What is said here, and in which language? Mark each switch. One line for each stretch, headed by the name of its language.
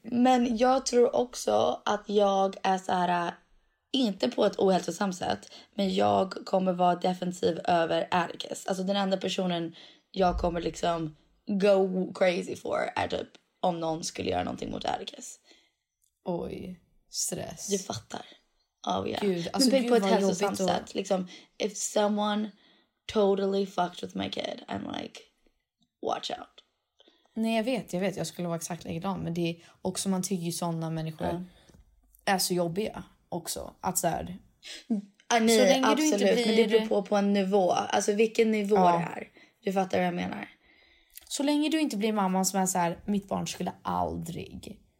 Swedish: Men jag tror också att jag är så här, inte på ett ohälsosamt sätt, men jag kommer vara defensiv över Atticus. Alltså den enda personen jag kommer liksom
English: go crazy for
Swedish: är typ om någon skulle göra någonting mot Atticus. Oj, stress. Du fattar.
English: Oh, yeah.
Swedish: Gud, alltså, men gud, på ett hälsosamt sätt.
English: Liksom, if someone totally fucked with my kid, I'm like, watch out.
Swedish: Nej, jag vet. Jag skulle vara exakt likadan. Men det är också, man tycker ju sådana människor är så jobbiga också. Att såhär, absolut. Men det beror på en nivå. Alltså vilken nivå det är. Du fattar vad jag menar. Så länge du inte blir mamman som är så här, mitt barn skulle aldrig.